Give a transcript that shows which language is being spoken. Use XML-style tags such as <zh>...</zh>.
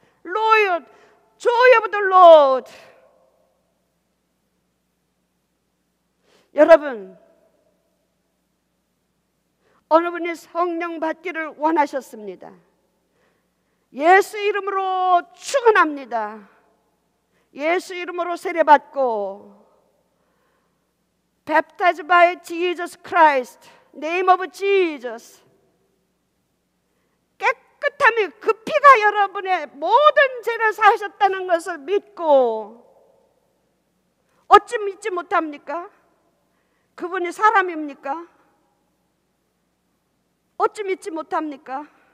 <en>Lord, joy of the Lord.</en> <ko>여러분, 어느 분이 성령 받기를 원하셨습니다. 예수 이름으로 축원합니다. 예수 이름으로 세례받고</ko> <en>Baptized by Jesus Christ, name of Jesus.</en> <ko>깨끗함이 그 피가 여러분의 모든 죄를 사하셨다는 것을 믿고 어찌 믿지 못합니까? 그분이 사람입니까? 어찌 믿지 못합니까?</ko>